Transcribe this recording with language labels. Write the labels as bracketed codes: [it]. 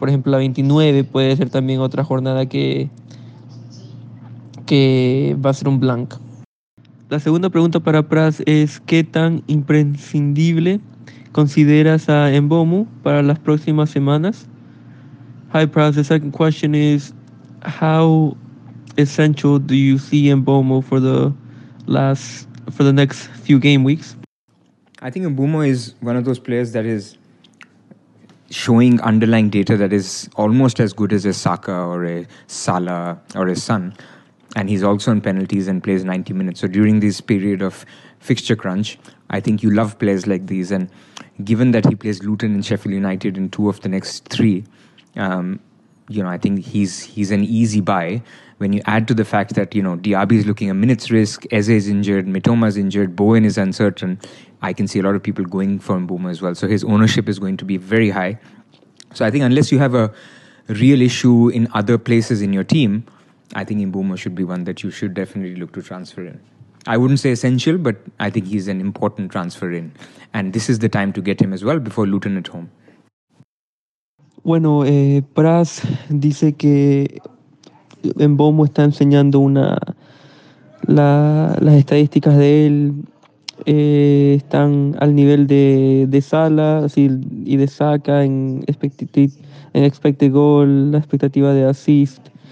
[es] Por ejemplo, la 29 puede ser también otra jornada que va a ser un blank. La segunda pregunta para Pras es: ¿qué tan imprescindible consideras a Mbomu para las próximas semanas? [en] Hi Pras, the second question is: how essential do you see Mbomu for the next few game weeks? I think Mbomu is one of those players that is showing underlying data that is almost as good as a Saka or a Salah or a Son. And he's also on penalties and plays 90 minutes. So during this period of fixture crunch, I think you love players like these. And given that he plays Luton and Sheffield United in 2 of the next 3, I think he's an easy buy. When you add to the fact that, you know, Diaby is looking a minutes risk, Eze is injured, Mitoma is injured, Bowen is uncertain, I can see a lot of people going for Mbouma as well. So his ownership is going to be very high. So I think unless you have a real issue in other places in your team, I think Mbomo should be one that you should definitely look to transfer in. I wouldn't say essential, but I think he's an important transfer in. And this is the time to get him as well before Luton at home. [es] Bueno, Pras dice que Mbomo está enseñando las estadísticas de él están al nivel de Salah y de Saka en expected goal, la expectativa de assist.